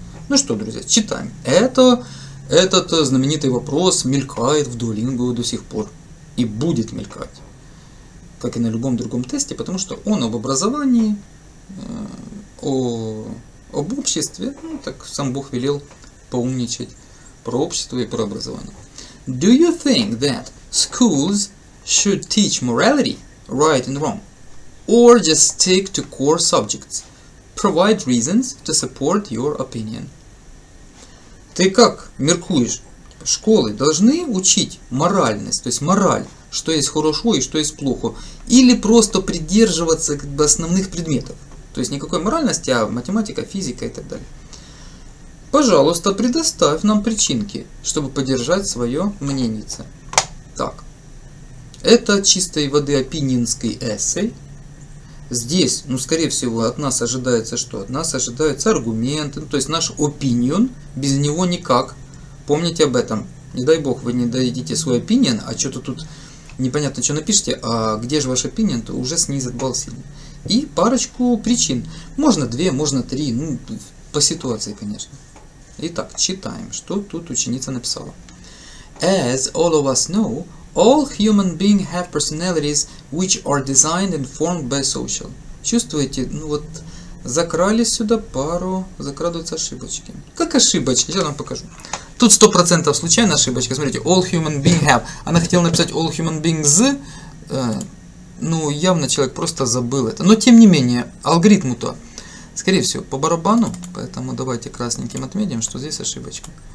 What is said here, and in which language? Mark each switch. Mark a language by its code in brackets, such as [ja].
[ru] Ну что, друзья, читаем. Этот знаменитый вопрос мелькает в Duolingo до сих пор. И будет мелькать. Как и на любом другом тесте, потому что он об образовании, об обществе. Ну, так сам Бог велел поумничать про общество и про образование. [en] Do you think that schools should teach morality? Right and wrong, or just stick to core subjects. Provide reasons to support your opinion. [ru] Ты как меркуешь? Школы должны учить моральность, то есть мораль, что есть хорошо и что есть плохо, или просто придерживаться как бы основных предметов, то есть никакой моральности, а математика, физика и так далее. Пожалуйста, предоставь нам причинки, чтобы поддержать свое мнение. Так. Это чистой воды опинионский эссе. Здесь, ну, скорее всего, от нас ожидается что? От нас ожидаются аргументы, ну, то есть наш opinion, без него никак. Помните об этом. Не дай бог, вы не дадите свой opinion, а что-то тут непонятно, что напишите, а где же ваш opinion, то уже снизит балл сильно. И парочку причин. Можно две, можно три, ну, по ситуации, конечно. Итак, читаем, что тут ученица написала. [en] As all of us know, all human beings have personalities which are designed and formed by social. [ru] Чувствуете, ну вот, закрали сюда пару, закрадываются ошибочки. Как ошибочки, я вам покажу. Тут 100% случайная ошибочка, смотрите, [en] all human beings have. [ru] Она хотела написать [en] all human beings, [ru] ну, явно человек просто забыл это. Но тем не менее, алгоритму-то, скорее всего, по барабану, поэтому давайте красненьким отметим, что здесь ошибочка.